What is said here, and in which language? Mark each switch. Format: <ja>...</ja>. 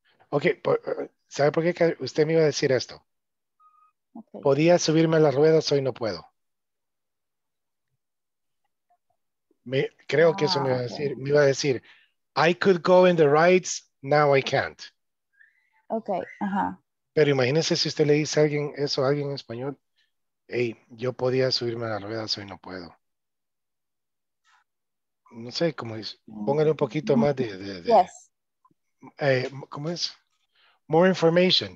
<es>Okay, ¿sabe por qué usted me iba a decir esto? Okay. Podía subirme a las ruedas, hoy no puedo. Creo que eso me iba a decir.</es> <en>Okay.</en> <es>Me iba a decir,</es> <en>I could go in the rides, now I can't. Okay,</en> <es>Pero imagínese si usted le dice a alguien eso a alguien en español. Hey, yo podía subirme a las ruedas, hoy no puedo. No sé, ¿cómo es? Póngale un poquito más de</es> <en>yes.</en> <es>¿Cómo es?</es> <en>More information.</en>